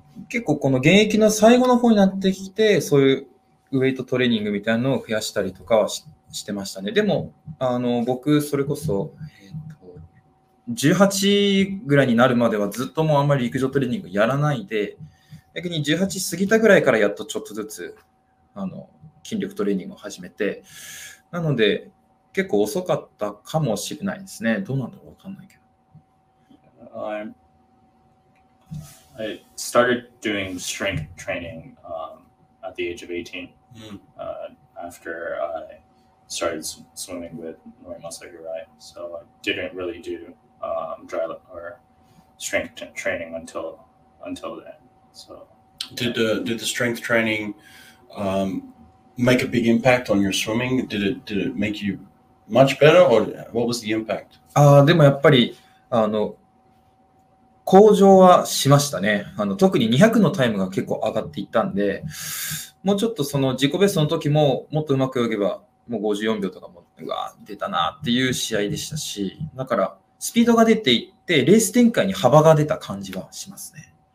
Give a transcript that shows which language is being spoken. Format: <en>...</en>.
<ja>結構この現役の最後の方になってきて、そういうウェイトトレーニングみたいなのを増やしたりとかはしてましたね。でも僕それこそ18ぐらいになるまではずっともうあんまり陸上トレーニングやらないで。逆に18過ぎたぐらいからやっとちょっとずつ筋力トレーニングを始めて、なので結構遅かったかもしれないですね。どうなんだろう、わかんないけど。</ja> <en>I started doing strength training at the age of 18 after I started swimming with Nori Masagirai. So I didn't really do dry or strength training until then. So did the strength training make a big impact on your swimming? Did it make you much better, or what was the impact?</en> <ja>でもやっぱり向上はしましたね。特に200のタイムが結構上がっていったんで、もうちょっとその自己ベストの時ももっとうまく泳げばもう54秒とかもうわー出たなっていう試合でしたし、だからスピードが出ていってレース展開に幅が出た感じはしますね。</ja>